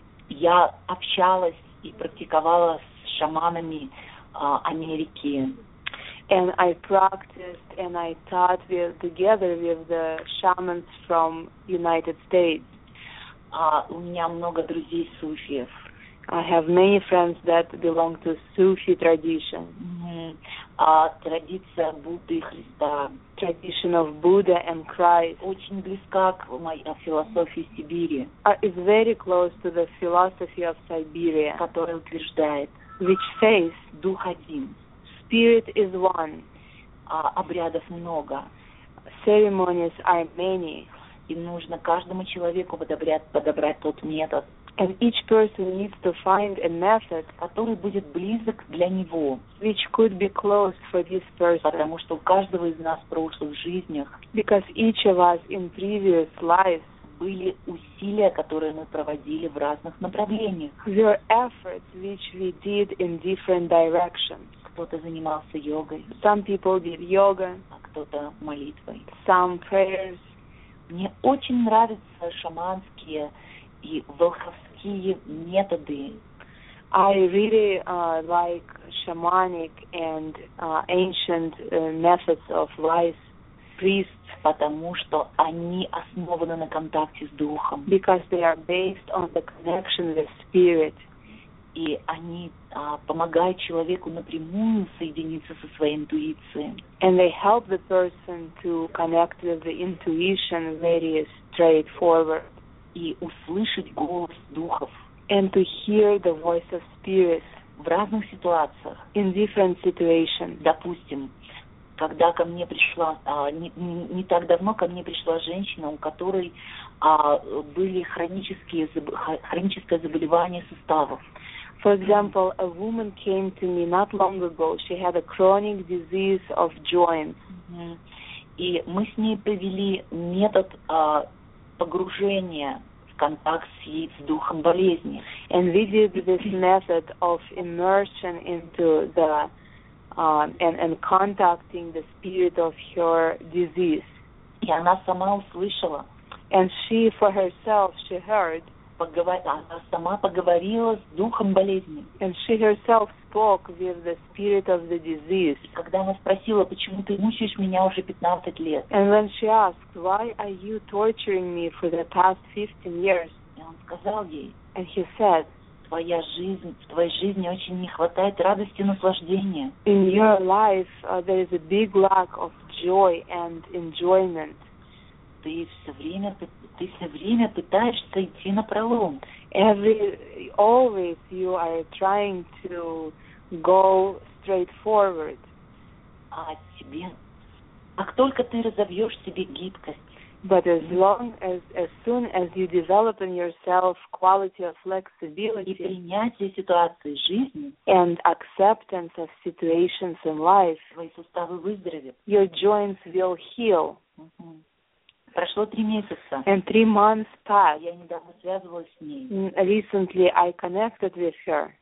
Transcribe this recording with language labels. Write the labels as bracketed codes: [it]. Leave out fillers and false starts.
[ru] Я общалась и практиковала с шаманами Америки. [en] And I practiced and I taught together with the shamans from United States. [ru] У меня много друзей суфиев. [en] I have many friends that belong to Sufi tradition. [ru] Традиция Будды и Христа. [en] Tradition of Buddha and Christ. [ru] Очень близка к моей философии Сибири. [en] Is very close to the philosophy of Siberia. [ru] Которая утверждает. [en] Which says. [ru] Дух один. [en] Spirit is one. [ru] Обрядов много. [en] Ceremonies are many. [ru] И нужно каждому человеку подобрать тот метод. [en] And each person needs to find a method, [ru] который будет близок для него, [en] which could be close for this person, [ru] потому что у каждого из нас в прошлых жизнях, [en] because each of us in previous lives, [ru] были усилия, которые мы проводили в разных направлениях, [en] there were efforts which we did in different directions. [ru] Кто-то занимался йогой, [en] some people did yoga, [ru] а кто-то молитвой, [en] some prayers. [ru] Мне очень нравятся шаманские и волховские методы. [en] I really like shamanic and ancient methods of life priests, [ru] потому что они основаны на контакте с духом. [en] Because they are based on the connection with spirit. [ru] И они помогают человеку напрямую соединиться со своей интуицией. [en] And they help the person to connect with the intuition very straightforward. [ru] И услышать голос духов. [en] And to hear the voice of spirit. [ru] В разных ситуациях. [en] In different situations. [ru] Допустим, когда ко мне пришла, не так давно ко мне пришла женщина, у которой были хроническое заболевание суставов. [en] For example, a woman came to me not long ago. She had a chronic disease of joints. [ru] И мы с ней провели метод погружения в контакт с духом болезни. [en] And we did this method of immersion into the and contacting the spirit of her disease. [ru] И она сама услышала. [en] And she for herself she heard. [ru] Она сама поговорила с духом болезни. [en] And she herself spoke with the spirit of the disease. [ru] Когда она спросила, почему ты мучаешь меня уже 15 лет? [en] And when she asked, why are you torturing me for the past 15 years? [ru] И он сказал ей. [en] And he said, [ru] твоя жизнь, в твоей жизни очень не хватает радости и наслаждения. [en] In your life there is a big lack of joy and enjoyment. [ru] Ты все время ты все время пытаешься идти на пролом. [en] Always you are trying to go straight forward. [ru] А тебе, как только ты разовьешь в себе гибкость. [en] But as soon as you develop in yourself quality of flexibility [ru] и принятие ситуации жизни [en] and acceptance of situations in life, [ru] твои суставы выздоровят. [en] Your joints will heal. [ru] Mm-hmm. Прошло три месяца. [en] And 3 months passed. [ru] Я недавно связывалась с ней. [en] Recently I connected with her.